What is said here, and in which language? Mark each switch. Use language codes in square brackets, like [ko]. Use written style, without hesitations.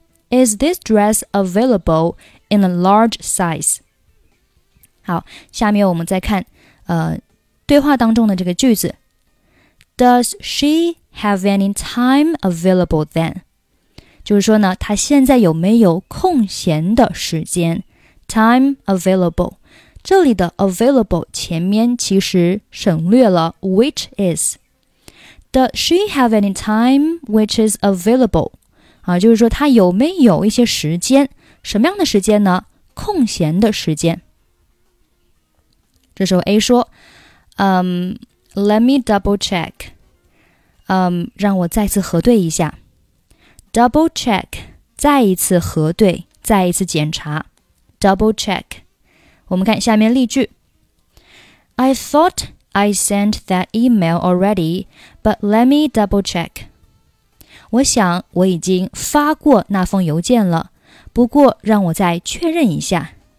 [en] Is this dress available in a large size? [zh] 好，下面我们再看、对话当中的这个句子。 [en] Does she have any time available then? [zh] 就是说呢，她现在有没有空闲的时间？ [en] Time available. [zh] 这里的 available 前面其实省略了 [en] which is. Does she have any time which is available?、 [zh] 就是说她有没有一些时间？什么样的时间呢？空闲的时间。这时候 A 说 [en] let me double check. [zh] 让我再次核对一下。Double check, 再一次核对，再一次检查。Double check. 我们看下面例句。 [en] I thought I sent that email already, but let me double check. [zh] 我想我已经发过那封邮件了，不过让我再确认一下。